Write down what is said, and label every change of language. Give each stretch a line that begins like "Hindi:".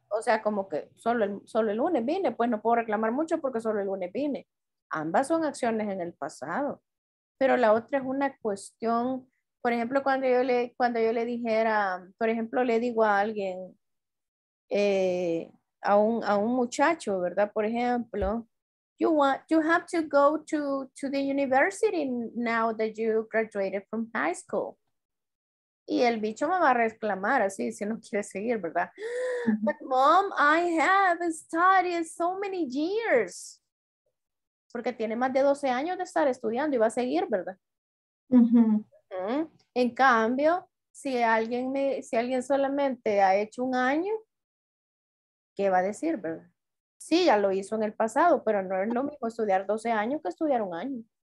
Spanish: O sea, como que solo el lunes vine, pues no puedo reclamar mucho porque solo el lunes vine. Ambas son acciones en el pasado. Pero la otra es una cuestión, por ejemplo, cuando yo le dijera, por ejemplo, le digo a alguien, a un muchacho, ¿verdad? Por ejemplo,
English: you have to go to the university now that you graduated from high school.
Spanish: Y el bicho me va a reclamar así, si no quiere seguir, ¿verdad?
English: But mom, I have studied so many years.
Spanish: Porque tiene más de 12 años de estar estudiando y va a seguir, ¿verdad? Uh-huh. Uh-huh. En cambio, si alguien solamente ha hecho un año, ¿qué va a decir, verdad? Sí, ya lo hizo en el pasado, pero no es lo mismo estudiar 12 años que estudiar un año.